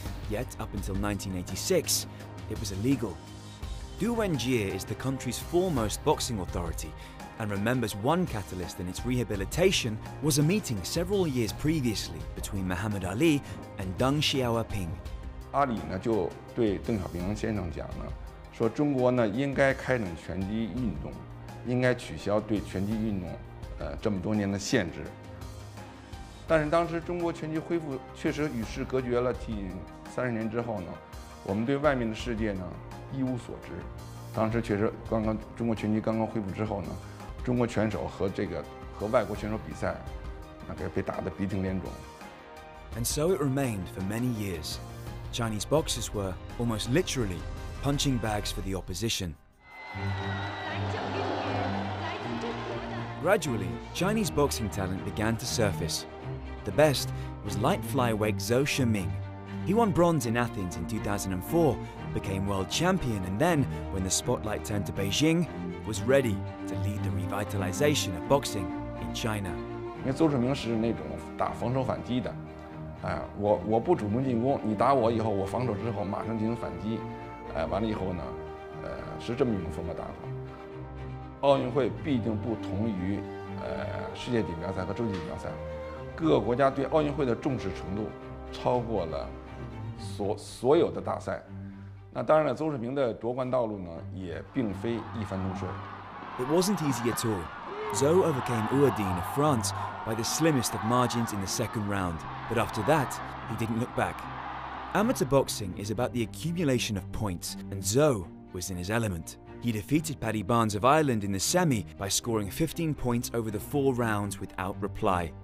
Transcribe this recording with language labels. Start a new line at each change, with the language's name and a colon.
English: Yet, up until 1986, it was illegal. Du Wenjie is the country's foremost boxing authority and remembers one catalyst in its rehabilitation was a meeting several years previously between Muhammad Ali and Deng Xiaoping.
Chinese: Ali 呢就对邓小平先生讲呢，说中国呢应该开展拳击运动，应该取消对拳击运动，这么多年的限制。但是当时中国拳击恢复确实与世隔绝了近30年之后呢，我们对外面的世界呢一无所知。当时确实刚刚中国拳击刚刚恢复之后呢。中国选手和这个和外国选手比赛，那个被打得鼻青脸肿。
English: And so it remained for many years. Chinese boxers were almost literally punching bags for the opposition. Gradually, Chinese boxing talent began to surface. The best was light flyweight Zhou Xueming. He won bronze in Athens in 2004, became world champion, and then, when the spotlight turned to Beijing, was ready to lead the revitalization of boxing in China.
Chinese: 因为邹市明是那种打防守反击的，我不主动进攻，你打我以后，我防守之后马上进行反击，完了以后呢，是这么一种风格打法。奥运会必定不同于世界锦标赛和洲际锦标赛，各个国家对奥运会的重视程度超过了所有的大赛。那当然了，邹市明的夺冠道路呢也并非一帆风顺。
English: It wasn't easy at all. Zhou overcame Uerdeen of France by the slimmest of margins in the second round. But after that, he didn't look back. Amateur boxing is about the accumulation of points, and Zhou was in his element. He defeated Paddy Barnes of Ireland in the semi by scoring 15 points over the four rounds without reply.